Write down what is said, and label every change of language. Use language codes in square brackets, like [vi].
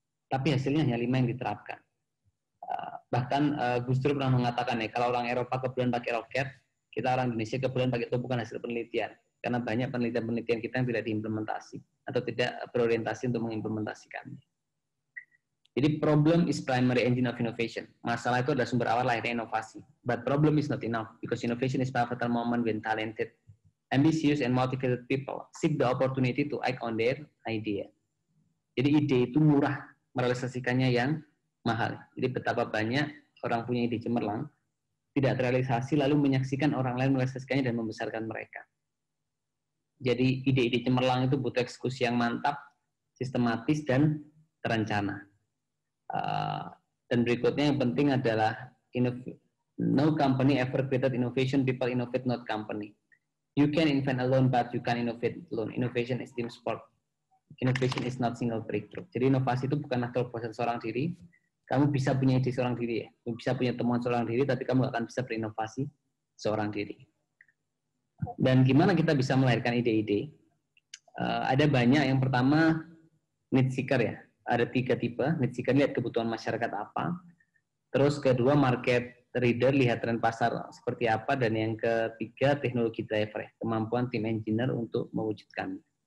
[id] Tapi hasilnya hanya 5 yang diterapkan. Bahkan Gus Dur pernah mengatakan ya, kalau orang Eropa kebetulan pakai roket, kita orang Indonesia kebetulan pakai tumpukan hasil penelitian. Karena banyak penelitian-penelitian kita yang tidak diimplementasi atau tidak berorientasi untuk mengimplementasikannya. Jadi [en] problem is primary engine of innovation. [id] Masalah itu adalah sumber awal lahirnya inovasi. [en] But problem is not enough because innovation is pivotal moment when talented, ambitious, and motivated people seek the opportunity to act on their idea. [id] Jadi ide itu murah, merealisasikannya yang mahal. Jadi betapa banyak orang punya ide cemerlang, tidak terrealisasi, lalu menyaksikan orang lain merealisasikannya dan membesarkan mereka. Jadi ide-ide cemerlang itu butuh eksekusi yang mantap, sistematis, dan terencana. Dan berikutnya yang penting adalah [en] no company ever created innovation, people innovate, not company. You can invent alone, but you can't innovate alone. Innovation is team sport. Innovation is not single breakthrough. [id] Jadi inovasi itu bukanlah terobosan seorang diri. Kamu bisa punya ide seorang diri ya, kamu bisa punya temuan seorang diri, tapi kamu gak akan bisa berinovasi seorang diri. Dan gimana kita bisa melahirkan ide-ide? Ada banyak, yang pertama need seeker ya, ada 3 tipe, need seeker lihat kebutuhan masyarakat apa, terus kedua market reader lihat tren pasar seperti apa, dan yang ketiga teknologi driver ya, kemampuan tim engineer untuk mewujudkan.